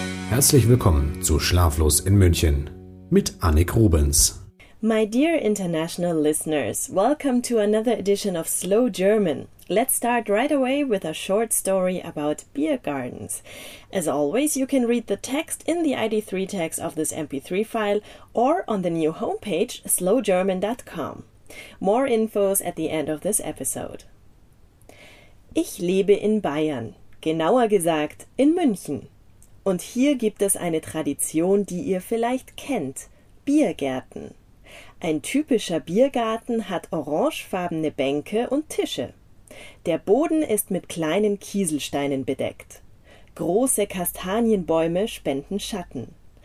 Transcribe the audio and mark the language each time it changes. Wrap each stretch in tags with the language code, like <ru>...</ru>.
<de>Herzlich willkommen zu Schlaflos in München mit Annik Rubens.</de> <en>My dear international listeners, welcome to another edition of Slow German. Let's start right away with a short story about beer gardens. As always, you can read the text in the ID3 tags of this MP3 file or on the new homepage, slowgerman.com. More infos at the end of this episode.</en> <de>Ich lebe in Bayern, genauer gesagt in München. Und hier gibt es eine Tradition, die ihr vielleicht kennt, Biergärten. Ein typischer Biergarten hat orangefarbene Bänke und Tische. Der Boden ist mit kleinen Kieselsteinen bedeckt. Große Kastanienbäume spenden Schatten.</de>